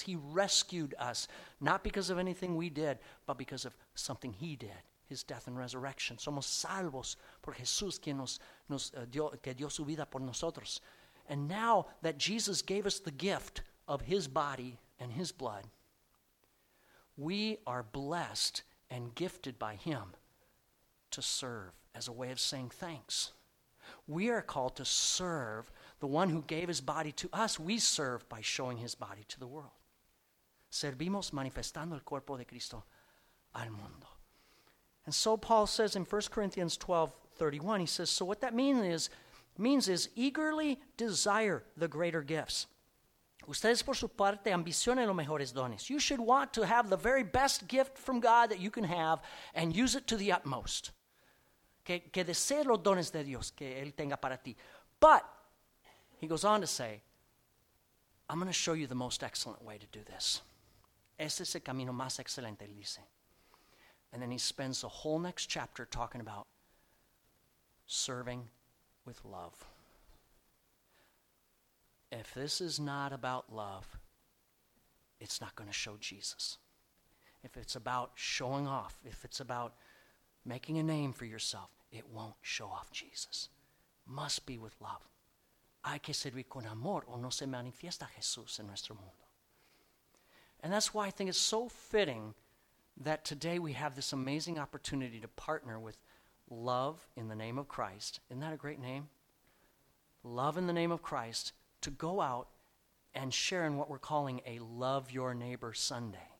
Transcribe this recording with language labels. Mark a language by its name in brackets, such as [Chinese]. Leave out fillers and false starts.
[English] He rescued us, not because of anything we did, but because of something he did, his death and resurrection. [Spanish] Somos salvos por Jesús quien nos dio su vida por nosotros. [English] And now that Jesus gave us the gift of his body and his blood, we are blessed and gifted by him to serve as a way of saying thanks. We are called to serve the one who gave his body to us. We serve by showing his body to the world. [Spanish] Servimos manifestando el cuerpo de Cristo al mundo. [English] And so Paul says in 1 Corinthians 12:31, he says, so what that means is eagerly desire the greater gifts. [Spanish] Ustedes por su parte ambicionen los mejores dones. [English] You should want to have the very best gift from God that you can have and use it to the utmost. [Spanish] Que desee los dones de Dios que él tenga para ti. [English] But, he goes on to say, I'm going to show you the most excellent way to do this. [Spanish] Ese es el camino más excelente, dice. [English] And then he spends the whole next chapter talking about serving with love. If this is not about love, it's not going to show Jesus. If it's about showing off, if it's about making a name for yourself, it won't show off Jesus. Must be with love. [Spanish] Hay que servir con amor o no se manifiesta Jesús en nuestro mundo. [English] And that's why I think it's so fitting that today we have this amazing opportunity to partner with Love in the Name of Christ. Isn't that a great name? Love in the Name of Christ to go out and share in what we're calling a Love Your Neighbor Sunday.